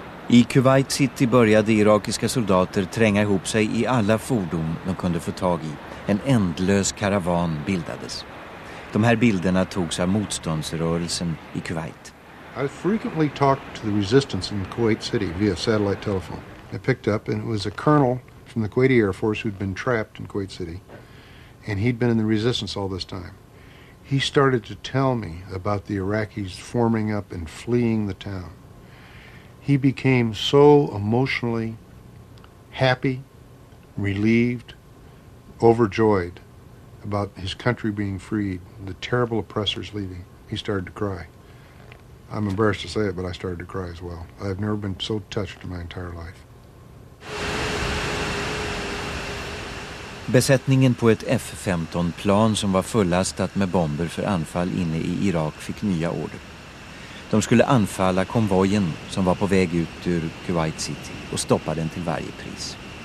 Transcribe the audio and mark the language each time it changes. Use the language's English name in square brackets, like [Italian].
[Swedish] I Kuwait City började irakiska soldater tränga ihop sig i alla fordon de kunde få tag i. En ändlös karavan bildades. De här bilderna togs av motståndsrörelsen i Kuwait. [English] I frequently talked to the resistance in Kuwait City via satellite telephone. I picked up and it was a colonel from the Kuwaiti Air Force who'd been trapped in Kuwait City. And he'd been in the resistance all this time. He started to tell me about the Iraqis forming up and fleeing the town. He became so emotionally happy, relieved, overjoyed about his country being freed, the terrible oppressors leaving. He started to cry. I'm embarrassed to say it, but I started to cry as well. I've never been so touched in my entire life. [Swedish] Besättningen på ett F-15-plan som var fullastat med bomber för anfall inne i Irak fick nya order. De skulle anfalla konvojen som var på väg ut ur Kuwait City och stoppa den till varje pris.